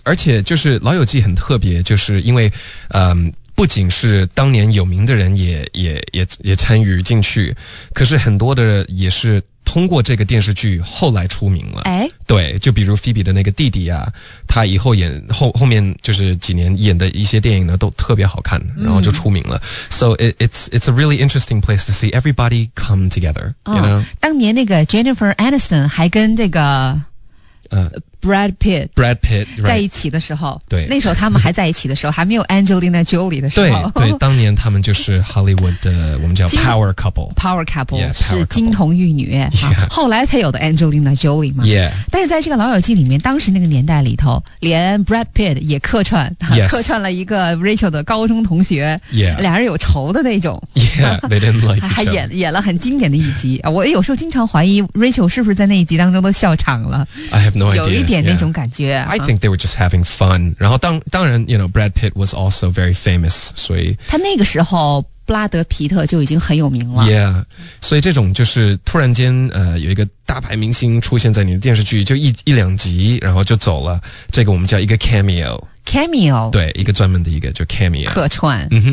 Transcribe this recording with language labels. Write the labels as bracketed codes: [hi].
[zh] 而且就是老友记很特别，就是因为不仅是当年有名的人也参与进去，可是很多的也是通过这个电视剧后来出名了。哎，对，就比如菲比的那个弟弟啊，他以后演后面就是几年演的一些电影呢都特别好看，然后就出名了。 [en] So it's a really interesting place to see everybody come together、 [zh] 当年那个 Jennifer Aniston 还跟这个Brad Pitt、 [en] right. [zh] 在一起的时候，对，那时候他们还在一起的时候，还没有 Angelina Jolie 的时候，对，当年他们就是 Hollywood 的我们叫 Power Couple，Power [en] Couple, yeah, [zh] 是金童玉女、后来才有的 Angelina Jolie 嘛。 [en] Yeah. [zh] 但是在这个老友记里面，当时那个年代里头，连 Brad Pitt 也客串， [en] yes. [zh] 客串了一个 Rachel 的高中同学， [en] yeah. [zh] 俩人有仇的那种。 [en] Yeah, they didn't like each other. [zh] 还演了很经典的一集。我有时候经常怀疑 Rachel 是不是在那一集当中都笑场了。 [en] I have no idea. [zh] 那种感觉、 [en] I think they were just having fun. [zh] 然后当然 [en] you know, Brad Pitt was also very famous. [zh] 所以他那个时候布拉德皮特就已经很有名了。 [en] Yeah. [zh] 所以这种就是突然间有一个大牌明星出现在你的电视剧就一两集然后就走了。这个我们叫一个 cameo。 [en] Cameo。 [zh] 对，一个专门的一个就 cameo。客串。